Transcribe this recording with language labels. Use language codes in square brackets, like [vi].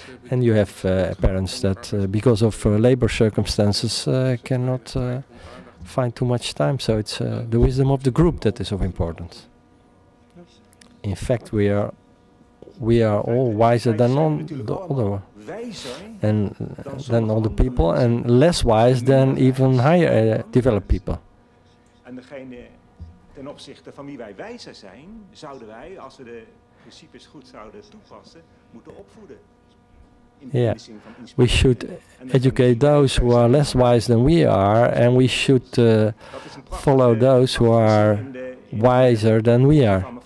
[en] And you have parents that, because of labor circumstances, cannot find too much time. So it's the wisdom of the group that is of importance. In fact, we are all wiser than the other one. And than all the people, and less wise than even higher developed people. [nl] En degene ten opzichte van wie wij wijzer zijn, zouden wij, als we de principes goed zouden toepassen, moeten opvoeden. [en] Yeah, we should educate those who are less wise than we are, and we should follow those who are wiser than we are.